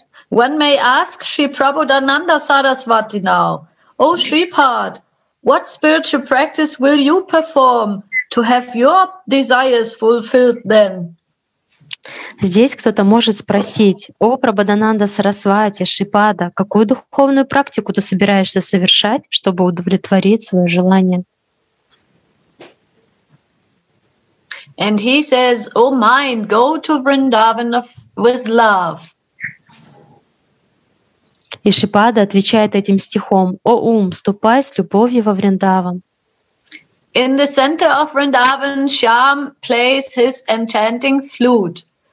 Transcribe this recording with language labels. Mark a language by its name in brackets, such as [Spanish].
[English] One may ask Sri Prabhudananda Saraswati now, O Sripad, what spiritual practice will you perform to have your desires fulfilled then? [Russian] Здесь кто-то может спросить, о Прабхадананда Сарасвати, Шрипада, какую духовную практику ты собираешься совершать, чтобы удовлетворить свое желание? [English] And he says, O mind, go to Vrindavan with love. [Russian] И Шрипада отвечает этим стихом, о ум, ступай с любовью во Вриндаван. [English] In the center of Vrindavan, Shyam plays his enchanting flute.